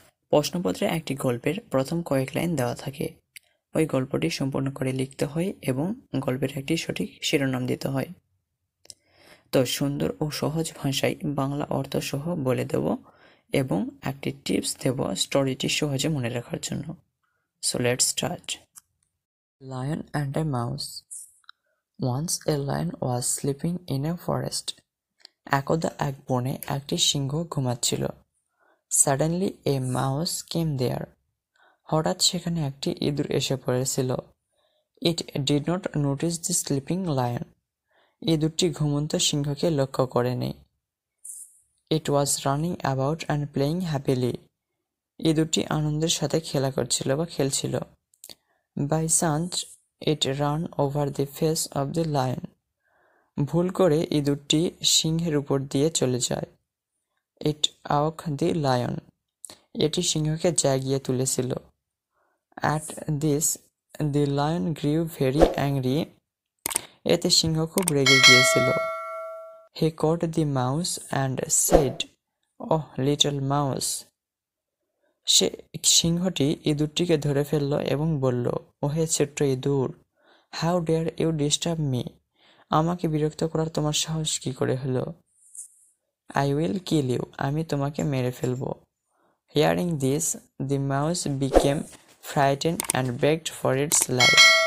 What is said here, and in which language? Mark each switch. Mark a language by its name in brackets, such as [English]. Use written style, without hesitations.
[Bangla] প্রশ্নপত্রে একটি গল্পের প্রথম কয়েক লাইন দেওয়া থাকে, ওই গল্পটি সম্পূর্ণ করে লিখতে হয় এবং গল্পের একটি সঠিক শিরোনাম দিতে হয়। তো সুন্দর ও সহজ ভাষায় বাংলা অর্থসহ বলে দেব এবং একটি টিপস দেব স্টোরিটি সহজে মনে রাখার জন্য। [English] So let's start. Lion and a mouse. Once a lion was sleeping in a forest. [Bangla] একদা এক বনে একটি সিংহ ঘুমাচ্ছিল। [English] Suddenly a mouse came there. [Bangla] হঠাৎ সেখানে একটি ইঁদুর এসে পড়েছিল। [English] It did not notice the sleeping lion. [Bangla] ইঁদুরটি ঘুমন্ত সিংহকে লক্ষ্য করেনি। [English] It was running about and playing happily. [Bangla] ইঁদুরটি আনন্দের সাথে খেলা করছিল বা খেলছিল। [English] By chance, It ran over the face of the lion. [Bangla] ভুল করে ইঁদুরটি সিংহের উপর দিয়ে চলে যায়। [English] It awoke the lion. [Bangla] এটি সিংহকে জাগিয়ে তুলেছিল। [English] At this, the lion grew very angry. [Bangla] এতে সিংহ খুব রেগে গিয়েছিল। [English] He caught the mouse and said, Oh, little mouse. [Bangla] সে সিংহটি ইঁদুরটিকে ধরে ফেলল এবং বলল, ওহে ছোট্ট ইঁদুর, [English] how dare you disturb me, [Bangla] আমাকে বিরক্ত করার তোমার সাহস কী করে হলো। [English] I will kill you, [Bangla] আমি তোমাকে মেরে ফেলব। [English] Hearing this, the mouse became frightened and begged for its life.